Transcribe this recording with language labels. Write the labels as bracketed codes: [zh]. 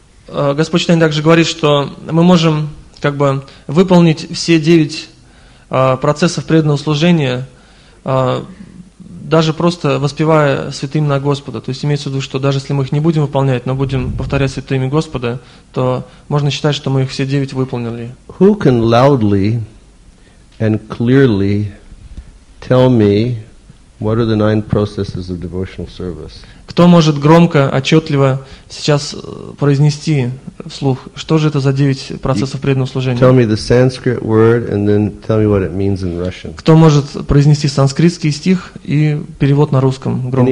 [ru] Господь Читание также говорит, что мы можем как бы выполнить все 9 процессов преданного служения, даже просто воспевая святым имя Господа. То есть имеется в виду, что даже если мы их не будем выполнять, но будем повторять святое имя Господа, то можно считать, что мы их все девять выполнили. [en] Who can loudly and clearly tell me what are the nine processes of devotional service? [ru] Кто может громко, отчетливо сейчас произнести вслух, что же это за девять процессов преданного служения? [en] Tell me the Sanskrit word and then tell me what it means in Russian. [ru] Кто может произнести санскритский стих и перевод на русском громко?